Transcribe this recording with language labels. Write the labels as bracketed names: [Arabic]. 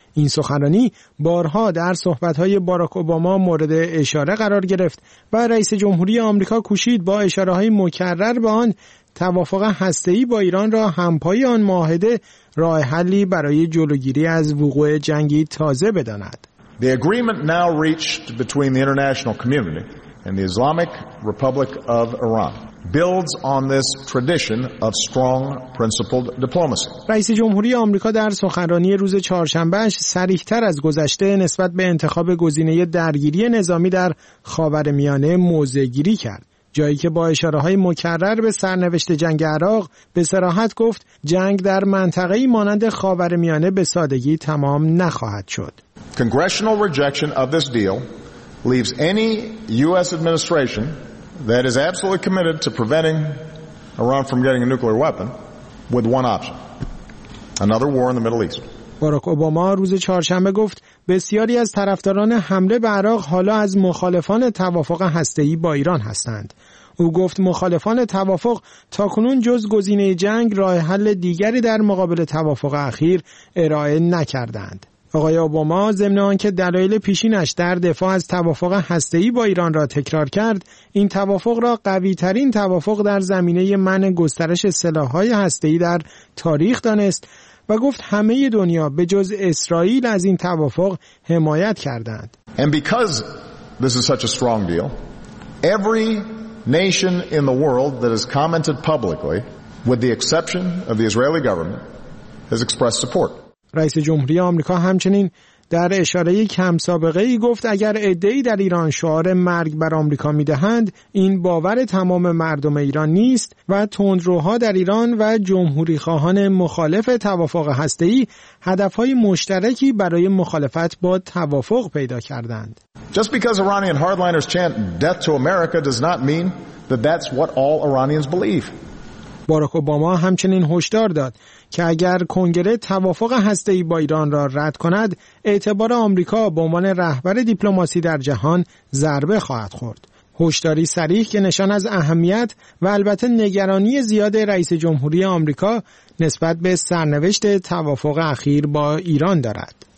[Persian] این سخنرانی بارها در صحبت‌های باراک اوباما مورد اشاره قرار گرفت و رئیس جمهوری آمریکا کوشید با اشاره‌های مکرر به آن توافق هسته‌ای با ایران را همپای آن معاهده راه حلی برای جلوگیری از وقوع جنگی تازه بداند. [English] The agreement now reached between the international community and the Islamic Republic of Iran builds on this tradition of strong principled diplomacy. [Persian] رئیس جمهوری آمریکا در سخنرانی روز چهارشنبه صریح‌تر از گذشته نسبت به انتخاب گزینه درگیری نظامی در خاورمیانه موضع‌گیری کرد، جایی که با اشاره‌های مکرر به سرنوشت جنگ عراق به صراحت گفت جنگ در منطقه‌ای مانند خاورمیانه به سادگی تمام نخواهد شد. [English] Congressional rejection of this deal leaves any US administration that is absolutely committed to preventing Iran from getting a nuclear weapon with one option. Another war in the Middle East. [Persian] باراک اوباما روز چهارشنبه گفت بسیاری از طرفداران حمله به عراق حالا از مخالفان توافق هسته‌ای با ایران هستند. او گفت مخالفان توافق تاکنون جز گزینه جنگ راه حل دیگری در مقابل توافق اخیر ارائه نکردند. آقای اوباما ضمن آنکه دلایل پیشینش در دفاع از توافق هسته‌ای با ایران را تکرار کرد، این توافق را قوی‌ترین توافق در زمینه منع گسترش سلاح‌های هسته‌ای در تاریخ دانست و گفت همه دنیا به جز اسرائیل از این توافق حمایت کردند. [English] And because this is such a strong deal, every nation in the world that has commented publicly, with the exception of the Israeli government, has expressed support. [Persian] رئیس جمهوری آمریکا همچنین در اشاره کم سابقه ای گفت اگر عده‌ای در ایران شعار مرگ بر آمریکا می‌دهند، این باور تمام مردم ایران نیست و تندروها در ایران و جمهوری‌خواهان مخالف توافق هسته‌ای هدف‌های مشترکی برای مخالفت با توافق پیدا کردند. [English] Just because Iranian hardliners chant death to America does not mean that that's what all Iranians believe. [Persian] باراک اوباما همچنین هشدار داد که اگر کنگره توافق هسته‌ای با ایران را رد کند، اعتبار آمریکا به عنوان رهبر دیپلماسی در جهان ضربه خواهد خورد. هشداری صریح که نشان از اهمیت و البته نگرانی زیاد رئیس جمهوری آمریکا نسبت به سرنوشت توافق اخیر با ایران دارد.